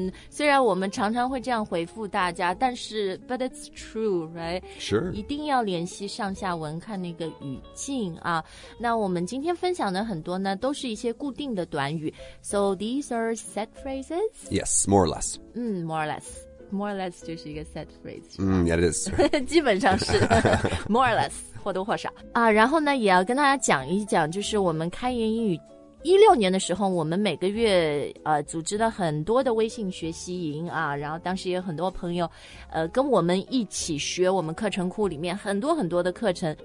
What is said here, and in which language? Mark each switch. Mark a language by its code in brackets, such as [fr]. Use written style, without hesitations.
[zh] 虽然我们常常会这样回复大家，但是 [en] but it's true, right? Sure. [zh] 一定要联系上下文，看那个语境啊。那我们今天分享的很多呢，都是一些固定的短语。 [en] So these are set phrases? Yes, more or less. More or less. [zh] More or less 就是一个 set phrase. [en] Yeah, it is. [zh] 基本上是 more or less, 或多或少。然后呢，也要跟大家讲一讲，就是我们开言英语16年的时候，我们每个月组织了很多的微信学习营啊，然后当时也有很多朋友跟我们一起学我们课程库里面很多很多的课程。